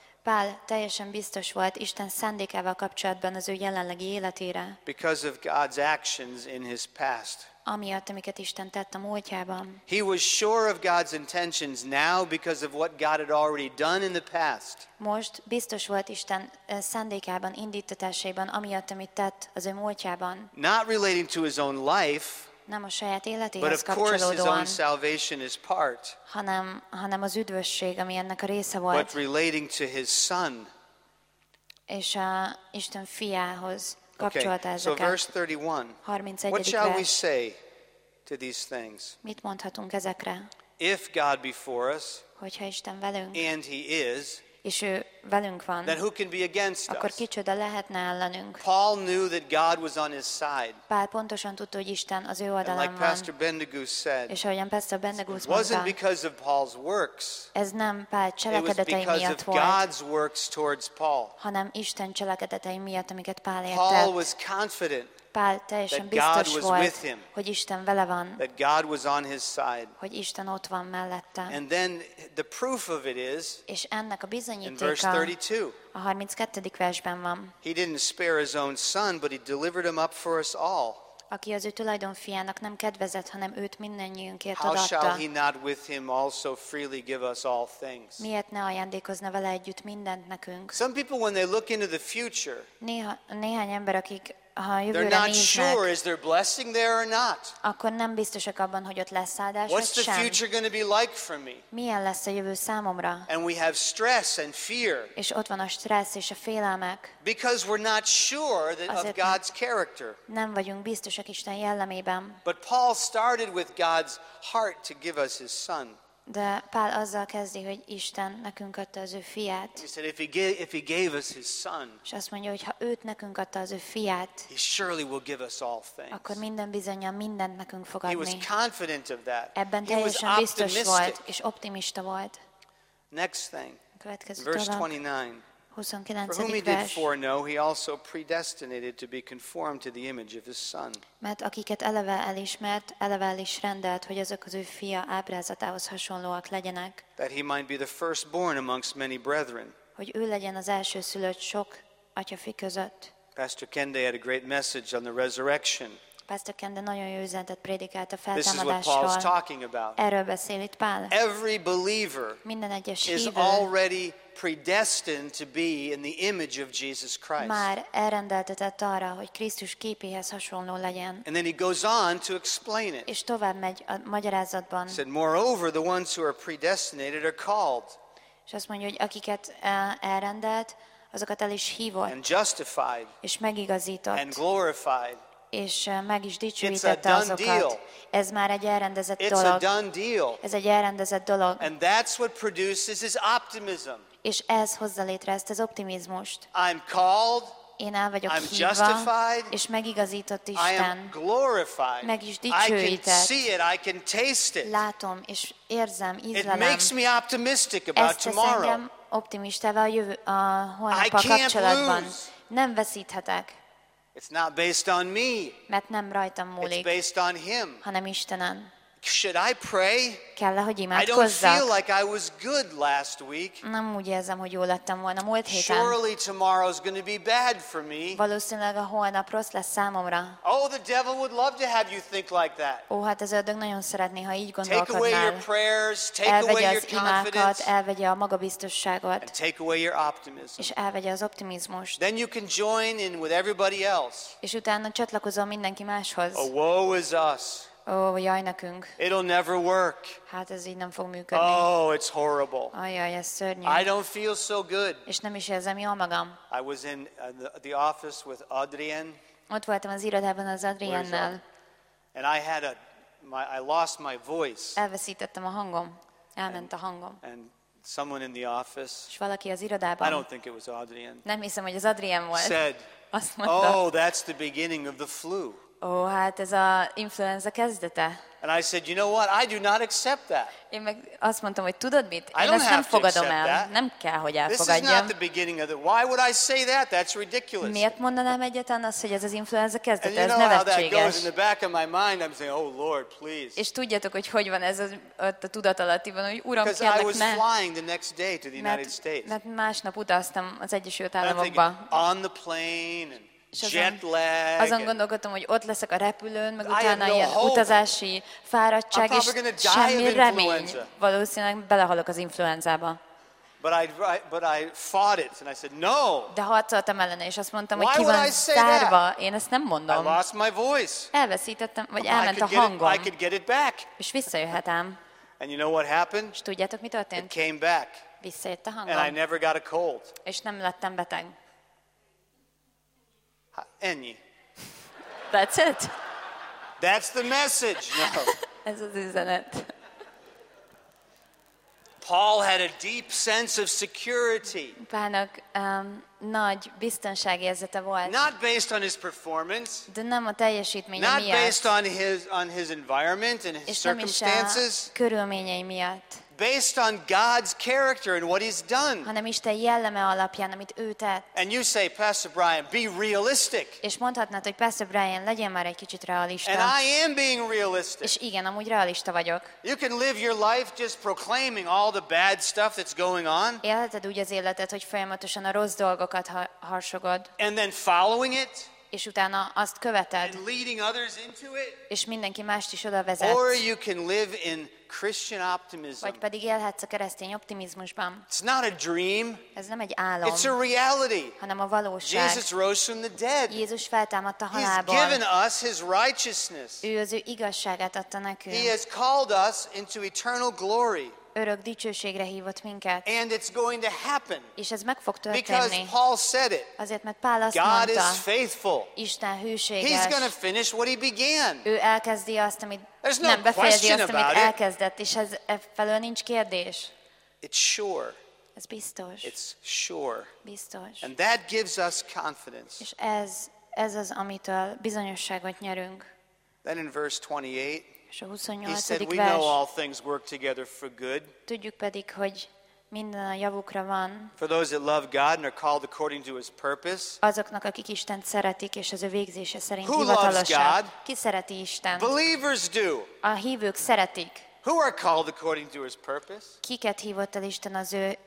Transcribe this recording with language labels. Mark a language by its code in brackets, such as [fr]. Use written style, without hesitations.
[hu] Pál teljesen biztos volt Isten szándékával kapcsolatban az ő jelenlegi életére. [en] Because of God's actions in his past. [hu] Amiatt, amiket Isten tett a múltjában. [en] He was sure of God's intentions now because of what God had already done in the past. [hu] Most biztos volt Isten szándékában, indítatásaiban, amiatt, amit tett az ő múltjában. [en] Not relating to his own life. [hu] Nem a saját életéhez [en] but of course his own salvation is part. [hu] Hanem az üdvösség, ami ennek a része volt. [en] But relating to his son. [hu] És a Isten fiához kapcsolta [en] okay. [hu] Ezeket. [en] So verse 31. [hu] 31. [en] What shall we say to these things? [hu] Mit mondhatunk ezekre? [en] If God be for us. [hu] Hogyha Isten velünk. [en] And he is. [hu] És ő velünk van. [en] Then who can be against us? [hu] Akkor kicsoda lehetne ellenünk? [en] Paul knew that God was on his side. [hu] Pál pontosan tudta, hogy Isten az ő oldalán van. [en] And like Pastor Bendigo said, [hu] és ahogyan Pastor Bendigo mondta, [en] it wasn't because of Paul's works. [hu] Ez nem Pál cselekedetei miatt volt. [en] It was because of God's works towards Paul. [hu] Hanem Isten cselekedetei miatt, amiket Pál értett. [en] Paul was confident. [hu] Pál teljesen biztos volt, hogy Isten vele van. [en] That God was on his side. [hu] Hogy Isten ott van mellette. [en] And then the proof of it is, [hu] és ennek a bizonyítéka [en] in verse 32, [hu] a 32. versben van. [en] He didn't spare his own son, but he delivered him up for us all. [hu] Aki az ő tulajdonfiának nem kedvezett, hanem őt mindannyiunkért adatta. [en] How shall he not with him also freely give us all things? [hu] Miért ne ajándékozna vele együtt mindent nekünk? [en] Some people when they look into the future, [hu] néhány ember, akik [en] they're not sure, is there blessing there or not? [hu] Akkor nem biztosak abban, hogy ott lesz áldás, sem. [en] What's the future going to be like for me? [hu] Milyen lesz a jövő számomra? [en] And we have stress and fear. [hu] És ott van a stressz és a félelmek. [en] Because we're not sure that of God's character. [hu] Nem vagyunk biztosak Isten jellemében. [en] But Paul started with God's heart to give us his son. [hu] De Pál azzal kezdi, hogy Isten nekünk adta az ő fiát. [en] He said, if he gave us his son, [hu] és azt mondja, hogy ha őt nekünk adta az ő fiát, [en] he surely will give us all things. [hu] Akkor minden bizonyan mindent nekünk fog adni. [en] He was confident of that. [hu] Ebben teljesen biztos volt, és optimista volt. [en] Next thing. [hu] Következő [en] verse 29. For whom he did foreknow, he also predestinated to be conformed to the image of his son. [hu] Mert akiket eleve elismert, eleve el is rendelt, hogy azok az ő fia ábrázatához hasonlóak legyenek. [en] That he might be the firstborn amongst many brethren. [hu] Hogy ő legyen az elsőszülött sok atyafi között. [en] Pastor Kende had a great message on the resurrection. [hu] Pastor Kende nagyon jó üzenetet prédikált a feltámadásról. [en] This is what Paul's talking about. [hu] Erről beszél itt Pál. [en] Every believer is already predestined to be in the image of Jesus Christ. [hu] Már elrendeltetett arra, hogy Krisztus képéhez hasonló legyen. [en] And then he goes on to explain it. [hu] És tovább megy a magyarázatban. [en] He said, moreover, the ones who are predestinated are called. [hu] És azt mondja, hogy akiket elrendelt, azokat el is hívott. [en] And justified. [hu] És megigazított. [en] And glorified. [hu] És meg is dicsőítette azokat. Ez már egy elrendezett dolog. Ez egy elrendezett dolog. [en] And that's what produces his optimism. [hu] És ez hozza létre ezt az optimizmust. [en] I'm called, [hu] én el vagyok [en] I'm [hu] hívva, [en] justified, [hu] és megigazított Isten. Meg is dicsőített. Látom és érzem, ízlelem. [en] It makes me optimistic about tomorrow. [hu] Ezt tesz engem optimistává a holnappal kapcsolatban. Nem veszíthetek. [en] It's not based on me. [hu] Mert nem rajtam múlik. [en] It's based on him. [hu] Hanem Istenen. [en] Should I pray? [hu] Kell-e, hogy imádkozzak? [en] I don't feel like I was good last week. [hu] Nem úgy érzem, hogy jól lettem volna múlt héten. [en] Surely tomorrow's going to be bad for me. [hu] Valószínűleg a holnap rossz lesz számomra. [en] Oh, the devil would love to have you think like that. [hu] Ó, hát az ördög nagyon szeretné, ha így gondolkodnál. [en] Take away your prayers, take [hu] elvegye [en] away your [hu] imákat, [en] confidence. [hu] Elvegye a magabiztosságot. [en] And take away your optimism. [hu] És elvegye az optimizmust. [en] Then you can join in with everybody else. [hu] És utána csatlakozom mindenki máshoz. [en] Oh, woe is us. [hu] Oh, jaj, nekünk. [en] It'll never work. [hu] Hát ez így nem fog működni. [en] Oh, it's horrible. [hu] Ajaj, ez szörnyű. [en] I don't feel so good. [hu] És nem is érzem jól magam. [en] I was in the office with Adrien. [hu] Ott voltam az irodában az Adriennel. [en] And I had I lost my voice. [hu] Elveszítettem a hangom. Elment a hangom. [en] And someone in the office. [hu] És valaki az irodában. [en] I don't think it was Adrien. [hu] Nem hiszem, hogy az Adrien volt. [en] Said. [hu] Azt mondta. [en] Oh, that's the beginning of the flu. [hu] Ó, hát ez a influenza kezdete. [en] And I said, you know what? I do not accept that. [hu] Én meg azt mondtam, hogy tudod mit? Én ezt nem fogadom el. Nem kell, hogy elfogadjam. [en] This is not the beginning of it. Why would I say that? That's ridiculous. [hu] Miért mondanám egyáltalán azt, hogy ez az influenza kezdete? Ez nevetséges. [en] And you know how that goes in the back of my mind. I'm saying, oh Lord, please. [hu] És tudjátok, hogy hogyan van ez a tudatalattiban, hogy Uram, kérlek, ne. [en] Because I was flying the next day to the United States. [hu] Mert másnap utaztam az Egyesült Államokba. [en] On the plane and jet lag. [hu] Azon gondolkodtam, hogy ott leszek a repülőn, meg utána ilyen utazási fáradtság, és semmi remény. Valószínűleg belehalok az influenzába. [en] But I fought it, and I said, no. [hu] De harcoltam ellene, és azt mondtam, hogy ki van szárva. Én ezt nem mondom. [en] I lost my voice. [hu] Elveszítettem, vagy elment a hangom. [en] I could get it back. [hu] És visszajöhetem. [en] And you know what happened? [hu] És tudjátok, mi történt? [en] It came back. [hu] Visszajött a hangom. [en] And I never got a cold. [hu] És nem lettem beteg. Ennyi. [en] That's it. That's the message. No. [hu] Ez az üzenet. [en] Paul had a deep sense of security. [hu] Pálnak nagy biztonságérzete volt. [en] Not based on his performance. [hu] De nem a teljesítménye [en] not [hu] miatt. [en] Not based on his environment and his circumstances. [hu] Körülményei miatt. [en] Based on God's character and what he's done. [hu] Hanem Isten jelleme alapján, amit ő tett. [en] And you say, Pastor Brian, be realistic. [hu] És mondhatnád, hogy Pastor Brian, legyen már egy kicsit realista. [en] And I am being realistic. [hu] És igen, amúgy realista vagyok. [en] You can live your life just proclaiming all the bad stuff that's going on. [hu] Élheted úgy az életet, hogy folyamatosan a rossz dolgokat harsogod. [en] And then following it. [hu] És utána azt követed. [en] And leading others into it. [hu] És mindenki mást is oda vezet. [en] Or you can live in Christian optimism. [hu] Vagy pedig élhetsz a keresztény optimizmusban. [en] It's not a dream. [hu] Ez nem egy álom. [en] It's a reality. [hu] Hanem a valóság. [en] Jesus rose from the dead. [hu] Jézus feltámadt a halálból. [en] He's given us his righteousness. [hu] Ő az ő igazságát adta nekünk. [en] He has called us into eternal glory. [hu] örök dicsőségre hívott minket. [en] And it's going to happen. [hu] És ez meg fog történni. [en] Because Paul said it. [hu] Azért, mert Pál azt [en] God [hu] mondta. [en] God is faithful. [hu] Isten hűséges. [en] He's going to finish what he began. [hu] Ő elkezdi azt, amit nem befejezi azt, amit elkezdett. És ez felől nincs kérdés. [en] It's sure. [hu] Ez biztos. [en] It's sure. [hu] Biztos. [en] And that gives us confidence. [hu] És ez az, amitől bizonyosságot nyerünk. [en] Then in verse 28. [hu] És a 28. [en] He said, [hu] vers, [en] we know all things work together for good. [hu] Tudjuk pedig, hogy minden a javukra van. [en] For those that love God and are called according to his purpose. [hu] Azoknak, akik Istent szeretik, és az ő végzése szerint hivatalosak. Ki szereti Istent? [en] Believers do. [hu] A hívők szeretik. [en] Who are called according to his purpose? [hu] Kiket hívott el Isten az ő